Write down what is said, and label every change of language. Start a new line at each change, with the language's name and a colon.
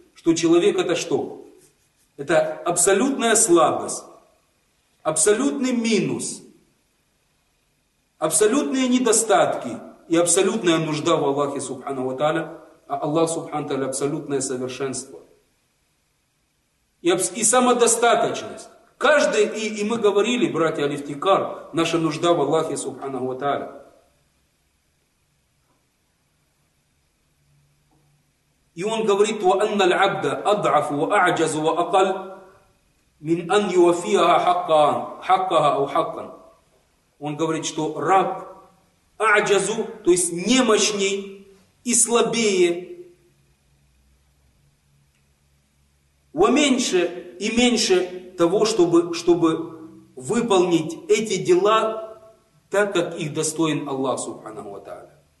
Russian: что человек это что? Это абсолютная слабость, абсолютный минус, абсолютные недостатки и абсолютная нужда в Аллахе Субхану ва Тааля, а Аллах Субхану ва Тааля абсолютное совершенство. И самодостаточность. Каждый, и мы говорили, братья Алифтикар, наша нужда в Аллахе Субхану ва Тааля. И он говорит,
Arabic: وَأَنَّ الْعَبْدَ أَضْعَفُ وَأَعْجَزُ وَأَقَلْ مِنْ أَنْ يُوَفِيَهَا حَقَّهَا أَوْ حَقًا.
Russian: Он говорит, что раб аджазу, то есть немощней и слабее, меньше и меньше того, чтобы выполнить эти дела так, как их достоин Аллах Субханаху ва Тааля.